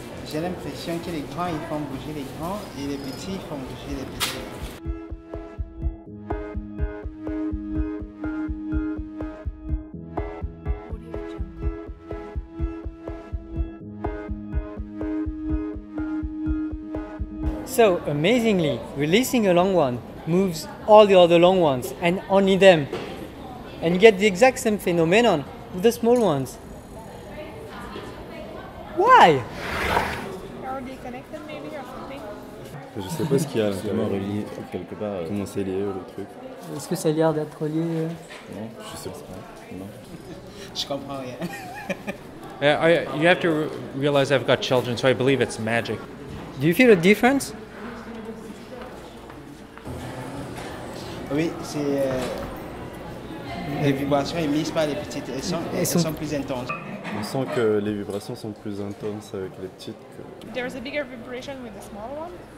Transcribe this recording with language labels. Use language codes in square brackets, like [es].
[fr] J'ai l'impression que les grands, ils font bouger les grands et les petits, ils font bouger les petits. [en] So, amazingly, releasing a long one moves all the other long ones, and only them. And you get the exact same phenomenon with the small ones. Why? Are they connected maybe or something? [fr] Je sais pas ce qu'il y a, vraiment relié quelque part. Comment c'est lié le truc? Est-ce que ça a l'air d'être lié? Non, je sais pas. Non. Je comprends rien. [en] Yeah, you have to realize I've got children, so I believe it's magic. Do you feel a difference? [fr] Oui, c'est les vibrations émises par les petites. Elles sont plus intenses. On sent que les vibrations sont plus intenses avec les petites. Que... [en] There's a bigger vibration with the small one.